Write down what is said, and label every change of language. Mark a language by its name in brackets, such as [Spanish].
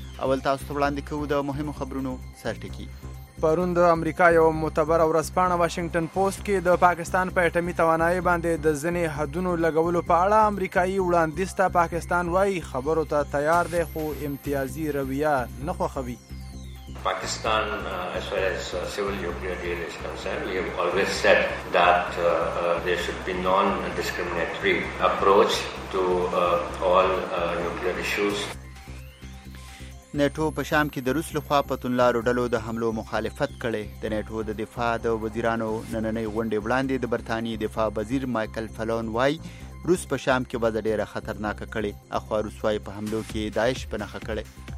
[Pashto] اول تاسو ته وړاندې کوو د مهمو خبرونو سرټکی. پرون د امریکا یو معتبر ورځپاڼه واشنگټن پوسټ کې د پاکستان په اټومي توانایي باندې د ځینې حدونو لګولو په اړه امریکایي وړاندیز ته پاکستان وایي خبرو ته تیار دی خو امتیازي رویه نه خوښوي. [English] Pakistan, as far as civil nuclear deal is concerned, we have always said that there should be non-discriminatory approach to all nuclear issues. [Pashto] نیټو په شام کې د روس لخوا په تونلارو ډلو د حملو مخالفت کړی. د نیټو د دفاع د وزیرانو نننۍ غونډې وړاندې د برتانیې دفاع وزیر مایکل فلون وای روس په شام کې وضع ډیره خطرناکه کړې. اخوا روس وای په حملو کې داعش په نښه کړی.